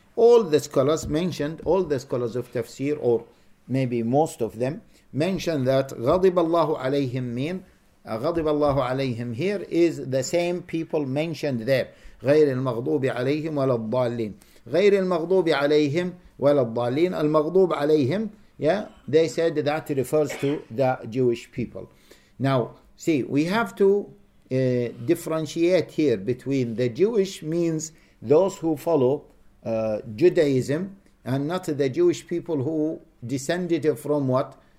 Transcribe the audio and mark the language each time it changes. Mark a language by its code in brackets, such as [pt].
[en] All the scholars of Tafsir, or maybe most of them, mentioned that [ar] غَضِبَ اللَّهُ عَلَيْهِمْ [en] mean, [ar] غَضِبَ اللَّهُ عَلَيْهِمْ [en] here is the same people mentioned there. [ar] غير المغضوب عليهم ولا الضالين. غير المغضوب عليهم ولا الضالين. المغضوب عليهم [en] Yeah, they said that refers to the Jewish people. Now, see, we have to differentiate here between the Jewish means those who follow Judaism and not the Jewish people who descended from what?